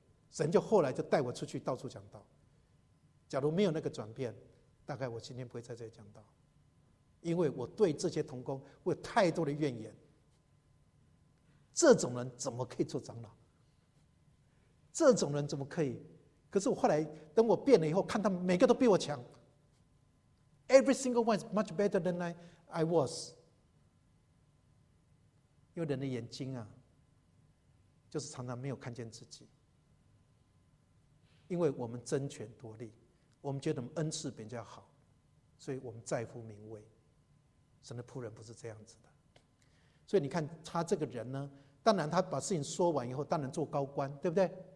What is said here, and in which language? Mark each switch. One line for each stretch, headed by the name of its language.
Chinese: 神就后来就带我出去到处讲道。假如没有那个转变，大概我今天不会在这里讲道，因为我对这些同工我有太多的怨言。这种人怎么可以做长老？这种人怎么可以？可是我后来等我变了以后，看他们每个都比我强。
English: Every single one is much better than I was。
Chinese: 因为人的眼睛啊，就是常常没有看见自己，因为我们争权夺利，我们觉得我们恩赐比较好，所以我们在乎名位。神的仆人不是这样子的。所以你看他这个人呢，当然他把事情说完以后当然做高官，对不对？